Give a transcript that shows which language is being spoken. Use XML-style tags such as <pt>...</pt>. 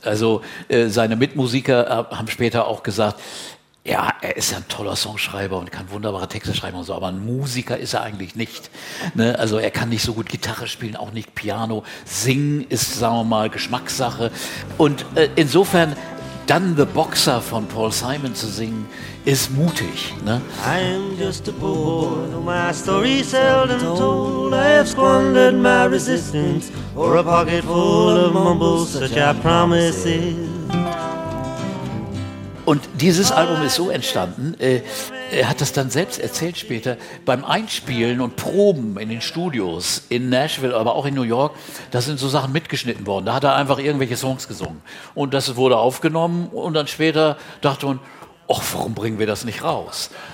<de>Also seine Mitmusiker haben später auch gesagt, ja, er ist ja ein toller Songschreiber und kann wunderbare Texte schreiben und so, aber ein Musiker ist er eigentlich nicht. Ne? Also er kann nicht so gut Gitarre spielen, auch nicht Piano. Singen ist, sagen wir mal, Geschmackssache. Und insofern, dann The Boxer von Paul Simon zu singen, ist mutig. Ne?</de> <en>I'm just a poor boy, my story seldom told. I have squandered my resistance for a pocket full of mumbles, such are promises.</en> <de>Und dieses Album ist so entstanden, er hat das dann selbst erzählt später, beim Einspielen und Proben in den Studios in Nashville, aber auch in New York, da sind so Sachen mitgeschnitten worden. Da hat er einfach irgendwelche Songs gesungen. Und das wurde aufgenommen und dann später dachte man, ach, warum bringen wir das nicht raus?</de>